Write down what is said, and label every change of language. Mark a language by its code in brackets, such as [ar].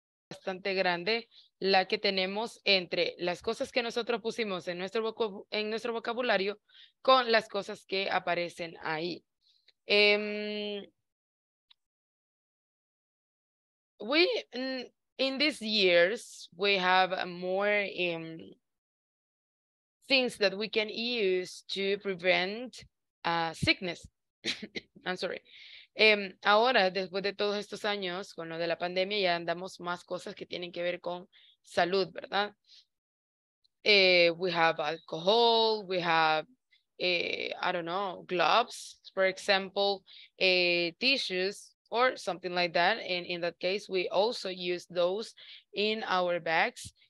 [es] Bastante grande la que tenemos entre las cosas que nosotros pusimos en nuestro vocabulario con las cosas que aparecen ahí. [en] In these years we have more things that we can use to prevent sickness. I'm sorry. [es] Ahora, después de todos estos años, con lo de la pandemia, ya andamos más cosas que tienen que ver con salud, ¿verdad? [en] We have alcohol, we have, I don't know, gloves, for example, tissues, or something like that. And in that case, we also use those in our bags.